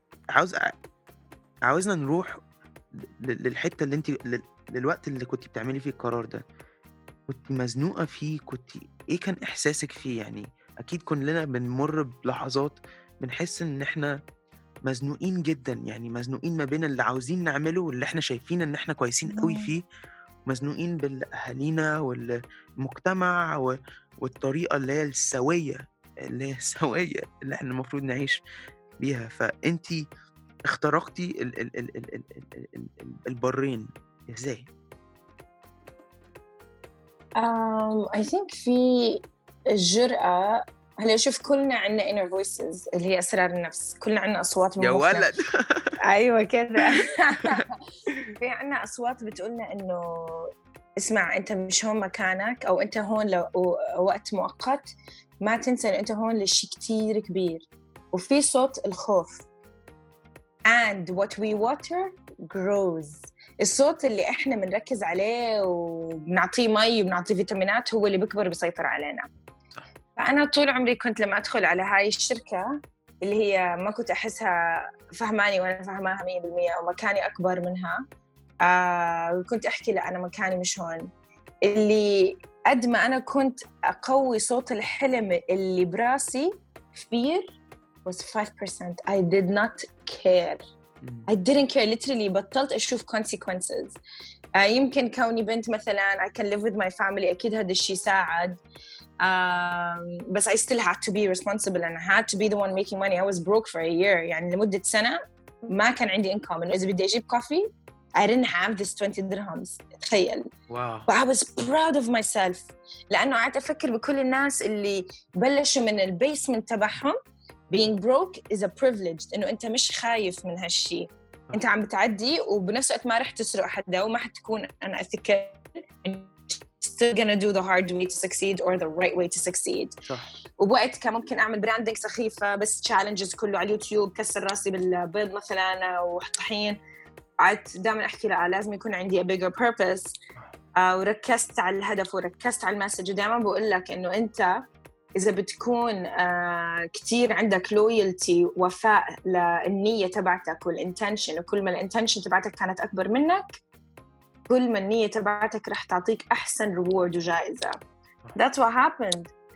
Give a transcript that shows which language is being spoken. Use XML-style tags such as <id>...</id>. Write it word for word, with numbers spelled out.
<ar>عاوز عاوزنا نروح للحتة اللي أنت للوقت اللي كنت بتعملي فيه القرار ده، كنت مزنوقة فيه، كنت إيه كان إحساسك فيه؟ يعني أكيد كلنا بنمر بلحظات بنحس إن إحنا مزنوقين جدا، يعني مزنوقين ما بين اللي عاوزين نعمله واللي إحنا شايفين إن إحنا كويسين قوي فيه، مزنوقين بالأهالينا والمجتمع والطريقة اللي هي السوية اللي هي السوية اللي إحنا المفروض نعيش بيها. فأنتي اخترقتي ال ال ال ال ال ال البرين إزاي؟ um,</ar> <en>I think</en> <ar>في الجرأة. هلا شوف كلنا عنا</ar> <en>inner voices</en> <ar>اللي هي أسرار النفس، كلنا عنا أصوات يا ولد أيوة كده في عنا أصوات بتقولنا إنه اسمع أنت مش هون مكانك، أو أنت هون لو وقت مؤقت، ما تنسى إن أنت هون لشي كتير كبير. وفي صوت الخوف</ar> <en>and what we water grows،</en> <ar>الصوت اللي إحنا بنركز عليه وبنعطيه مي وبنعطيه فيتامينات هو اللي بيكبر بيسيطر علينا. فأنا طول عمري كنت لما أدخل على هاي الشركة اللي هي ما كنت أحسها فهماني وأنا فهماها مية بالمية ومكاني أكبر منها، آه كنت أحكي لا أنا مكاني مش هون. اللي قد ما أنا كنت أقوي صوت الحلم اللي براسي</ar> <en>fear was five percent. I did not care I didn't care literally.</en> <ar>بطلت أشوف consequences. آه يمكن كوني بنت مثلا</ar> <en>I can live with my family</en> <ar>أكيد هذا الشيء ساعد،</ar> <en>Um, but I still had to be responsible and I had to be the one making money. I was broke for a year.</en> <ar>يعني لمدة سنة ما كان عندي income. إنه إذا بدي أجيب</ar> <en>coffee I didn't have this twenty dirhams.</en> <ar>تخيل.</ar> <en>Wow. But I was proud of myself.</en> <ar>لأنه قاعد أفكر بكل الناس اللي بلشوا من البيسمنت تبعهم.</ar> <en>Being broke is a privilege.</en> <ar>إنه أنت مش خايف من هالشي. أنت عم بتعدي وبنفس الوقت ما رح تسرق حدا وما حتكون أنا أتذكر.</ar> <en>still gonna do the hard way to succeed or the right way to succeed.</en> <ar>وبوقت كان ممكن أعمل براندينج سخيفة بس challenges كله على اليوتيوب، كسر راسي بالبيض مثلاً وطحين. قعدت دائماً أحكي لا لازم يكون عندي</ar> <en>a bigger purpose.</en> <ar>آه وركزت على الهدف وركزت على المسج. ودائماً بقول لك إنه أنت إذا بتكون آه كتير عندك loyalty وفاء للنية تبعتك والintention، وكل ما الintention تبعتك كانت أكبر منك كل ما النية تبعتك رح تعطيك أحسن reward وجائزة.</ar> <en>That's what happened.</en>